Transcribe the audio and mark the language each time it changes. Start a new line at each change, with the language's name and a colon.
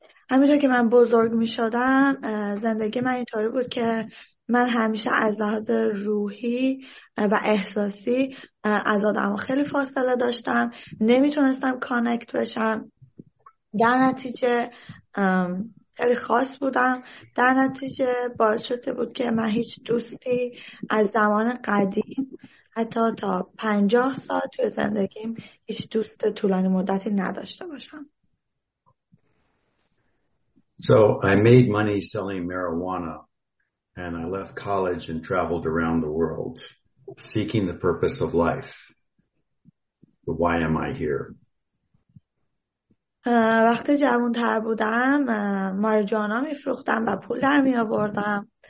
Persian: همینطور که من بزرگ می شدم، زندگی من اینطوری بود که من همیشه از لحاظ روحی و احساسی از آدم خیلی فاصله داشتم، نمیتونستم کانکت بشم، در نتیجه خیلی خاص بودم، در نتیجه باعث شده بود که من هیچ دوستی از زمان قدیم حتی تا 50 سال توی زندگیم هیچ دوست طولانی مدتی نداشته باشم.
English: So I made money selling marijuana and I left college and traveled around the world seeking the purpose of life. The why am I here?
Persian: وقتی جوان‌تر بودم ماریجوانا می‌فروختم و پول در می‌آوردم.